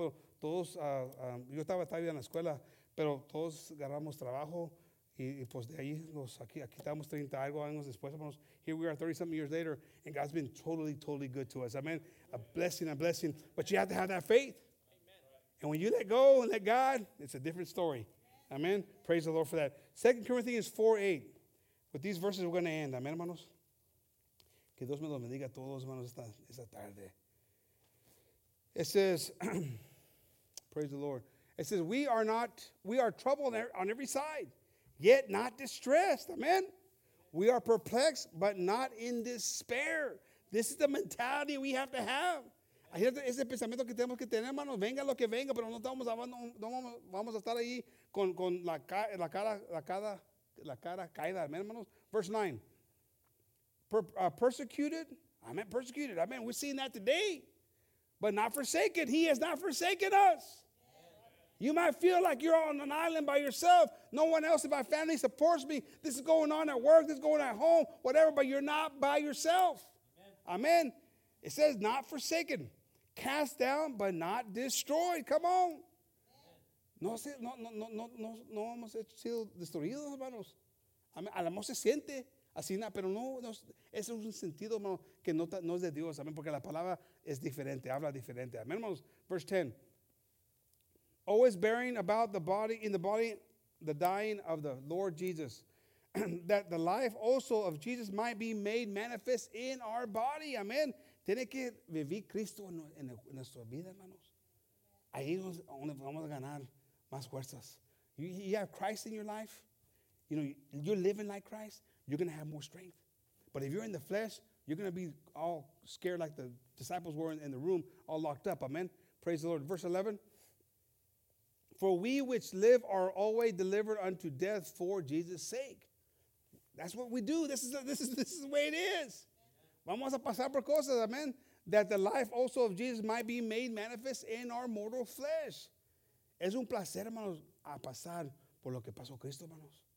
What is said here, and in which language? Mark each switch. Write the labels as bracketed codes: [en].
[es] Pero todos, yo estaba todavía en la escuela, pero todos agarramos trabajo. Y pues de ahí, aquí estamos 30 algo años después, hermanos. [en] Here we are 30-something years later, and God's been totally, totally good to us. Amen. A blessing. But you have to have that faith. Amen. And when you let go and let God, it's a different story. Amen. Praise the Lord for that. 2 Corinthians 4:8. With these verses, we're going to end. Amen, hermanos. [es] Que Dios me los bendiga a todos, hermanos, esta tarde. [en] It says, praise the Lord. It says, we are troubled on every side, yet not distressed. Amen. We are perplexed, but not in despair. This is the mentality we have to have. [es] Ese pensamiento que tenemos que tener, hermanos, venga lo que venga, pero no vamos a estar ahí con la cara caída, hermanos. [en] Verse 9. Persecuted. I meant persecuted. I mean, we're seeing that today. But not forsaken. He has not forsaken us. You might feel like you're on an island by yourself. No one else in my family supports me. This is going on at work. This is going on at home. Whatever, but you're not by yourself. Amen. It says not forsaken. Cast down, but not destroyed. Come on. [es] No hemos sido destruidos, hermanos. [en] Amén. [es] A lo mejor se siente así, pero no. Ese es un sentido, hermano, que no es de Dios. Amén. Porque la palabra es diferente, habla diferente. Amén, hermanos. [en] Verse 10. Always bearing about the body, in the body, the dying of the Lord Jesus, that the life also of Jesus might be made manifest in our body. [es] Amén. Tiene que vivir Cristo en nuestra vida, hermanos. Ahí es donde vamos a ganar más fuerzas. [en] You have Christ in your life. You know, you're living like Christ. You're going to have more strength. But if you're in the flesh, you're going to be all scared like the disciples were in the room, all locked up. Amen. Praise the Lord. Verse 11. For we which live are always delivered unto death for Jesus' sake. That's what we do. This is the way it is. [es] Vamos a pasar por cosas, [en] amen. That the life also of Jesus might be made manifest in our mortal flesh. [es] Es un placer, hermanos, a pasar por lo que pasó Cristo, hermanos.